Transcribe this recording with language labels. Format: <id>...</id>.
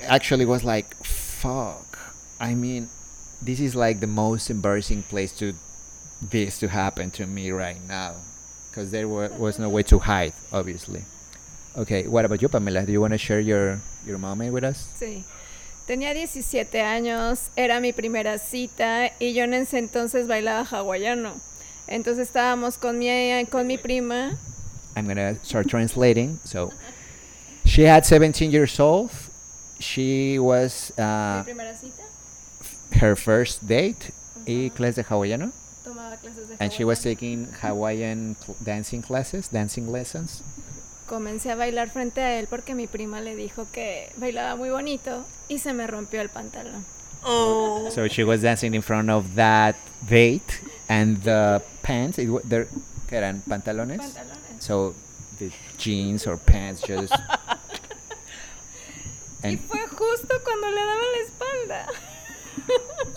<en>Actually it was like, fuck. I mean, this is like the most embarrassing place to this to happen to me right now. Because there was no way to hide, obviously. Okay, what about you, Pamela? Do you want to share your mommy with us?</en> <es>Sí. Tenía 17 años, era mi primera cita, y yo en ese entonces bailaba hawaiano. Entonces estábamos con mi prima.</es> <en>I'm going to start translating. So, she had 17 years old. She was...</en> <es>mi primera cita.</es> <en>Her first date, uh-huh.</en> <es>Y clase de hawaiano. Tomaba clases de hawaiano.</es> <en>And she was taking Hawaiian dancing classes, dancing lessons.</en> <es>Comencé a bailar frente a él porque mi prima le dijo que bailaba muy bonito y se me rompió el pantalón. Oh.</es> <en>So she was dancing in front of that date and the pants,</en> <es>¿qué eran? ¿Pantalones? Pantalones.</es> <en>So the jeans or pants just...</en> <es>And y fue justo cuando le daba la espalda.</es>